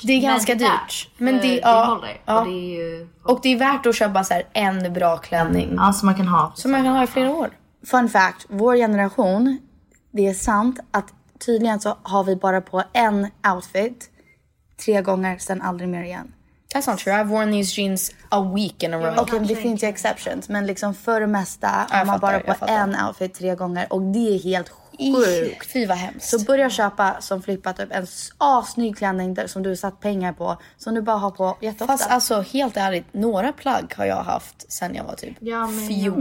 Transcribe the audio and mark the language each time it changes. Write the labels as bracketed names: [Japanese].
[Swedish] Det är ganska dyrt. Men det håller. Och det är värt att köpa så här en bra klänning. Ja, som man kan ha. Som man kan ha i flera år. [English] Fun fact. [Swedish] Vår generation, det är sant att tydligen så har vi bara på en outfit 3 gånger, sen aldrig mer igen. [English] That's not true. I've worn these jeans a week in a row. [Swedish] Okej, okay, det finns ju exceptions. Men liksom för det mesta har man bara på en outfit 3 gånger. Och det är helt sjukt. Fy vad hemskt. Så börja köpa som flippat upp en snygg klänning där, som du har satt pengar på. Som du bara har på jätteofta. Fast alltså, helt ärligt. Några plagg har jag haft sen jag var typ 14.